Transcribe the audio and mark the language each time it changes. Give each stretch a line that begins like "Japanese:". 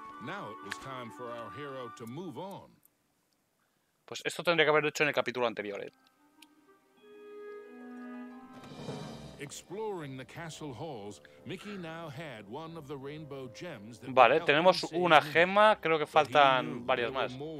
English: Now it was time for our hero to move on.
Spanish: Pues esto tendría que haberlo hecho en el capítulo anterior, ¿eh?
English: Exploring the castle halls, Mickey now had one of the rainbow gems that.
Spanish: Vale, tenemos una gema, creo que faltan varias más.